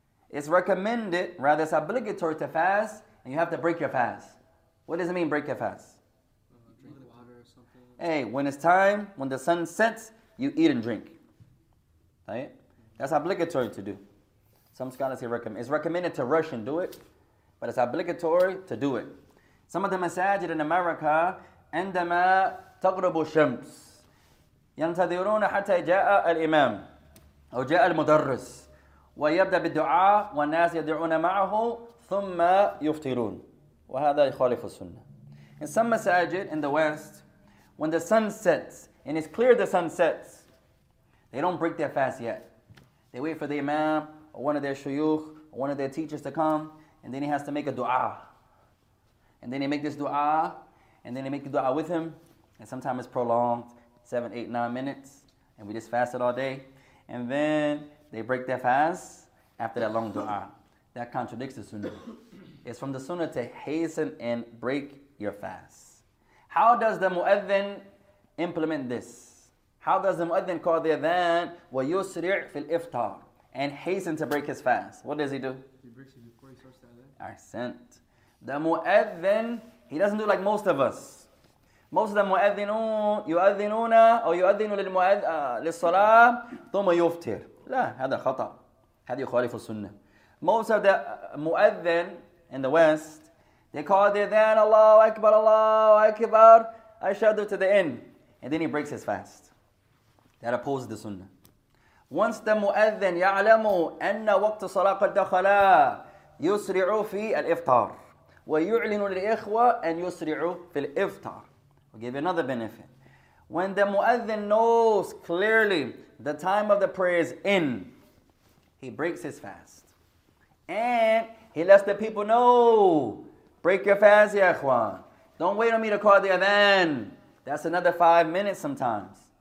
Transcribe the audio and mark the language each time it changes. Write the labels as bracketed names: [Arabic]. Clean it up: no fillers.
[English] It's recommended, rather it's obligatory to fast, and you have to break your fast. What does it mean, break your fast? Drink water or something. Hey, when it's time, when the sun sets, you eat and drink. Right? That's obligatory to do. Some scholars say recommend. It's recommended to rush and do it, but it's obligatory to do it. Some of the masajid in America, [Arabic] عندما تغرب الشمس, ينتظرون حتى جاء الإمام. أو جاء المدرس ويبدأ بالدعاء والناس يدعون معه ثم يفطرون وهذا يخالف السنة. [English] In some masajid in the West, when the sun sets and it's clear the sun sets, they don't break their fast yet. They wait for the imam or one of their shuyukh or one of their teachers to come, and then he has to make a dua. And then he make this dua, and then he make a dua with him, and sometimes it's prolonged 7, 8, 9 minutes, and we just fasted all day. And then they break their fast after that long dua. That contradicts the sunnah. It's from the sunnah to hasten and break your fast. How does the mu'adhin implement this? How does the mu'adhin call the adhan [Arabic] wa yusri' fil iftar [English] and hasten to break his fast? What does he do? He breaks it before he starts the adhan. Accent. The mu'adhin, he doesn't do like most of us. Most of them [Arabic] يؤذنون أو يؤذن للصلاة ثم يفطر. لا هذا خطأ. هذا يخالف السنة. [English] Most of the مؤذن in the West, they call the then Allahu Akbar, Allahu Akbar, أشهد to the end. And then he breaks his fast. That opposes the سنة. Once the [Arabic] مؤذن يعلم أن وقت الصلاة قد دخل يسرع في الإفطار ويعلن للإخوة أن يسرعوا في الإفطار. [English] I'll give you another benefit. When the mu'adhin knows clearly the time of the prayer is in, he breaks his fast. And he lets the people know, break your fast, ya ikhwan. Don't wait on me to call the adhan. That's another 5 minutes sometimes.